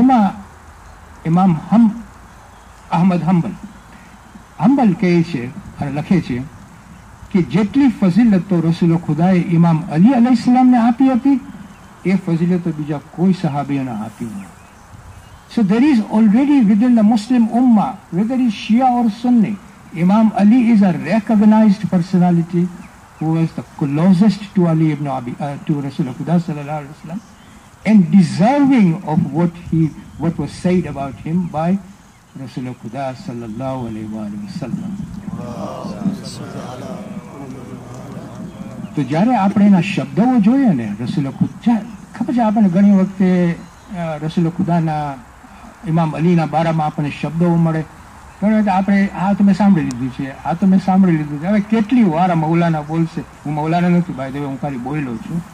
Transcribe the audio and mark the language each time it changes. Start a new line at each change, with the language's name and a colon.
Gujarati: એમાં ઇમામ અહમદ હંબલ કહે છે અને લખે છે કે જેટલી ફઝીલતો રસૂલ ખુદાએ ઇમામ અલી અલૈહિસ્સલામને આપી હતી એ ફઝીલતો બીજા કોઈ સહાબીઓને આપી નહોતી.
English: So there is already within the Muslim Ummah, whether it is Shia or Sunni, Imam Ali is a recognized personality who was the closest to Ali ibn Abi, to Rasulullah Khuda sallallahu alayhi wa sallam, and deserving of what was said about him by Rasulullah Khuda sallallahu alayhi wa sallam.
Gujarati: To jare aapne na shabda wo joye ne, Rasulullah Khuda, khabaj aapne gani wakte Rasulullah Khuda na ઇમામ અલીના બારામાં આપણને શબ્દો મળે પણ આપણે આ તો મેં સાંભળી લીધું છે, આ તો મેં સાંભળી લીધું છે. હવે કેટલી વાર આ મૌલાના બોલશે, હું મૌલાના નથી ભાઈ દેવ, હું ખાલી બોલી લઉં છું.